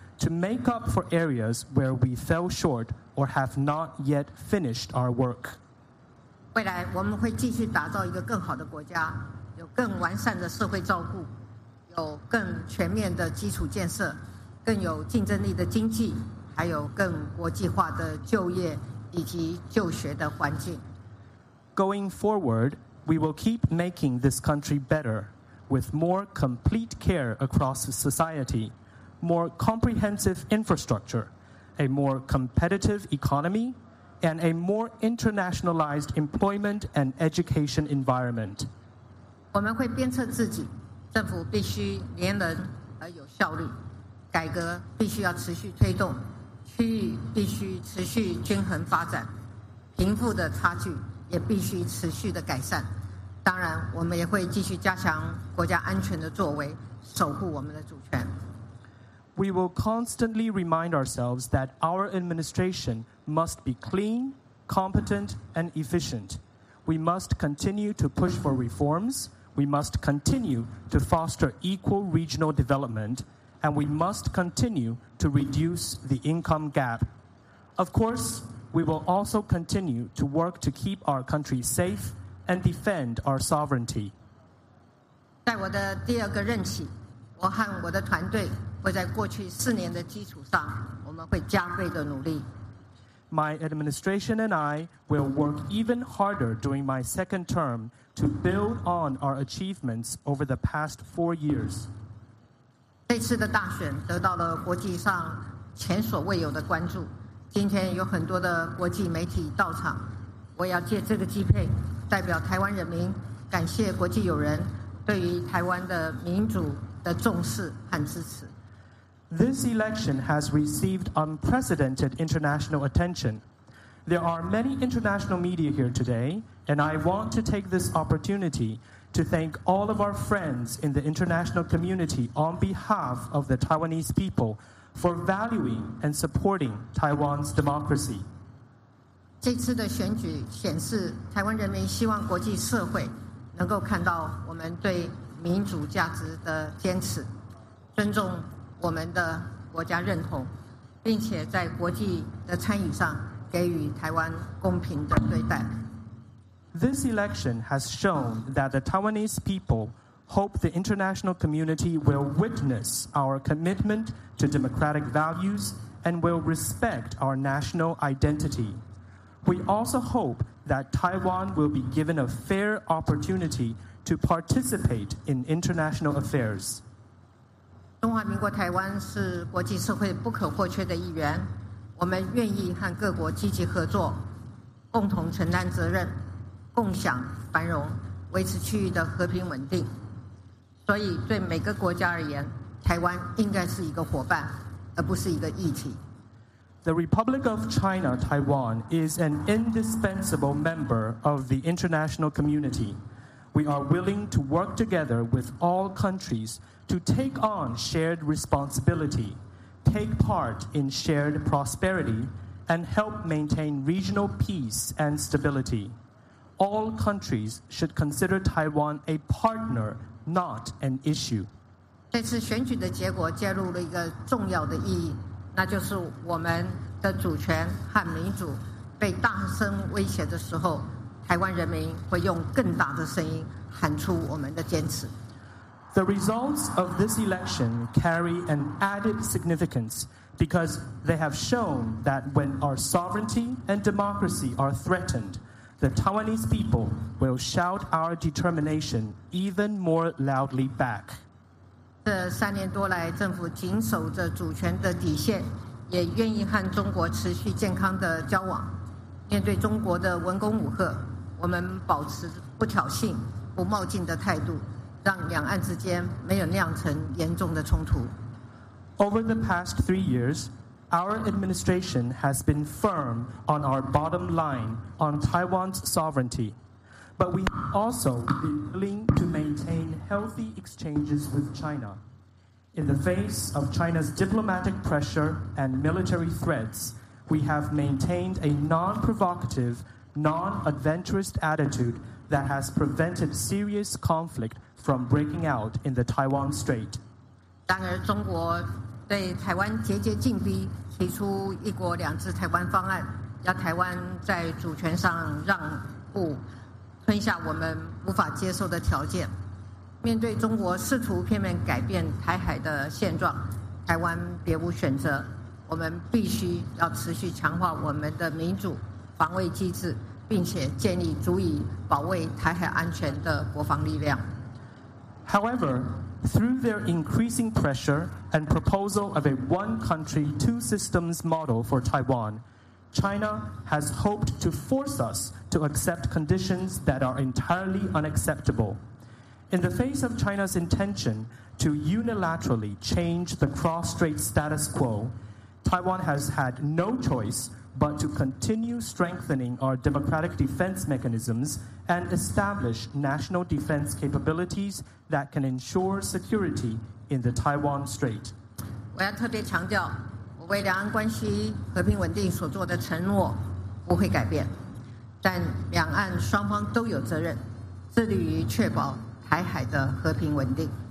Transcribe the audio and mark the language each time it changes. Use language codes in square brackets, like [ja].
[en] To make up for areas where we fell short or have not yet finished our work. [zh] 未来我们会继续打造一个更好的国家，有更完善的社会照顾，有更全面的基础建设，更有竞争力的经济，还有更国际化的就业以及就学的环境。 [en] Going forward, we will keep making this country better with more complete care across society. More comprehensive infrastructure, a more competitive economy, and a more internationalized employment and education environment. [zh] 我们会鞭策自己，政府必须廉能而有效率，改革必须要持续推动，区域必须持续均衡发展，贫富的差距也必须持续的改善。当然，我们也会继续加强国家安全的作为，守护我们的主权。 [en] We will constantly remind ourselves that our administration must be clean, competent, and efficient. We must continue to push for reforms, we must continue to foster equal regional development, and we must continue to reduce the income gap. Of course, we will also continue to work to keep our country safe and defend our sovereignty. [zh] 在我的第二个任期，我和我的团队会在过去四年的基础上，我们会加倍的努力。 [en] My administration and I will work even harder during my second term to build on our achievements over the past 4 years. [zh] 这次的大选得到了国际上前所未有的关注，今天有很多的国际媒体到场，我要借这个机会代表台湾人民感谢国际友人对于台湾的民主的重视和支持。 [en] This election has received unprecedented international attention. There are many international media here today, and I want to take this opportunity to thank all of our friends in the international community on behalf of the Taiwanese people for valuing and supporting Taiwan's democracy. [zh] 这次的选举显示，台湾人民希望国际社会能够看到我们对民主价值的坚持，尊重我们的国家认同，并且在国际的参与上给予台湾公平的对待。 [en] This election has shown that the Taiwanese people hope the international community will witness our commitment to democratic values and will respect our national identity. We also hope that Taiwan will be given a fair opportunity to participate in international affairs. [zh] 中华民国台湾是国际社会不可或缺的一员，我们愿意和各国积极合作，共同承担责任，共享繁荣，维持区域的和平稳定。所以对每个国家而言，台湾应该是一个伙伴，而不是一个议题。 [en] The Republic of China, Taiwan is an indispensable member of the international community. We are willing to work together with all countries to take on shared responsibility, take part in shared prosperity, and help maintain regional peace and stability. All countries should consider Taiwan a partner, not an issue. [zh] 这次选举的结果揭露了一个重要的意义，那就是我们的主权和民主被大声威胁的时候，台湾人民会用更大的声音喊出我们的坚持。 [en] The results of this election carry an added significance because they have shown that when our sovereignty and democracy are threatened, the Taiwanese people will shout our determination even more loudly back. [zh] 这三年多来，政府谨守着主权的底线，也愿意和中国持续健康的交往。面对中国的文攻武吓，我们保持不挑衅、不冒进的态度，让两岸之间没有酿成严重的冲突。 [en] Over the past 3 years, our administration has been firm on our bottom line on Taiwan's sovereignty. But we have also been willing to maintain healthy exchanges with China. In the face of China's diplomatic pressure and military threats, we have maintained a non-provocative, non-adventurous attitude that has prevented serious conflict from breaking out in the Taiwan Strait. [zh] 当然中国对台湾节节进逼，提出一国两制台湾方案，要台湾在主权上让步，吞下我们无法接受的条件。面对中国试图片面改变台海的现状，台湾别无选择，我们必须要持续强化我们的民主防卫机制，并且建立足以保卫台海安全的国防力量。 [en] However, through their increasing pressure and proposal of a one-country, two-systems model for Taiwan, China has hoped to force us to accept conditions that are entirely unacceptable. In the face of China's intention to unilaterally change the cross-strait status quo, Taiwan has had no choice but to continue strengthening our democratic defense mechanisms and establish national defense capabilities that can ensure security in the Taiwan Strait. [zh] 我要特别强调，我为两岸关系和平稳定所做的承诺不会改变，但两岸双方都有责任致力于确保台海的和平稳定。